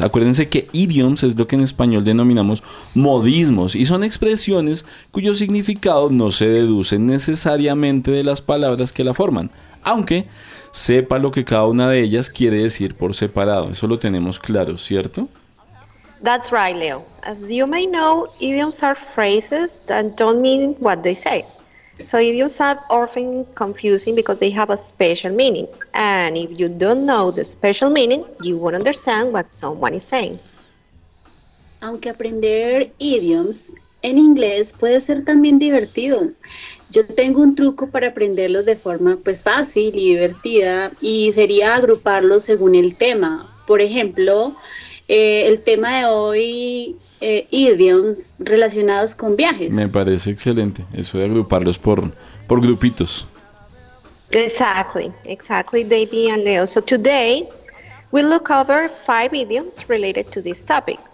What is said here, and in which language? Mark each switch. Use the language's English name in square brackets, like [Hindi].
[Spanish] Acuérdense que idioms es lo que en español denominamos modismos y son expresiones cuyo significado no se deduce necesariamente de las palabras que la forman, aunque sepa lo que cada una de ellas quiere decir por separado. Eso lo tenemos claro, ¿cierto? [English] That's right, Leo. As you may know, idioms are phrases that don't mean what they say. So idioms are often confusing because they have a special meaning. And if you don't know the special meaning, you won't understand what someone is saying. [Spanish] Aunque aprender idioms en inglés puede ser también divertido. Yo tengo un truco para aprenderlos de forma pues fácil y divertida y sería agruparlos según el tema. Por ejemplo, el tema de hoy... idioms relacionados con viajes. Me parece excelente eso de agruparlos por grupitos. [English] Exactly, exactly, Davey and Leo. So today we look over 5 idioms related to this topic.